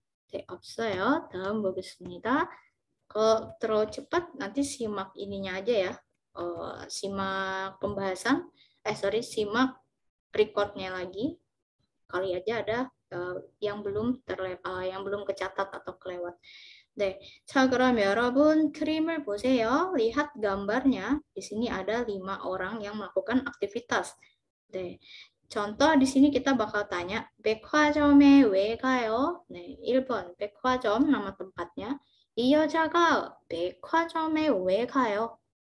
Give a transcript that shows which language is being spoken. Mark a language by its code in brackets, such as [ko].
[ko] 네, 없어요. 다음 보겠습니다. [id] 그, 쉽게, nanti simak ininya aja ya. Simak pembahasan. Simak recordnya lagi. Kali aja ada yang belum kecatat atau kelewat. [ko] 네, 자 그럼 여러분 그림을 보세요. [id] 리핫 gambarnya. Di sini ada 5 orang yang melakukan aktivitas. 네, 전통 di sini kita bakal tanya [ko] 백화점에 왜 가요? 네, 1번 백화점 [id] nama tempatnya. [ko] 이 여자가 백화점에 왜 가요?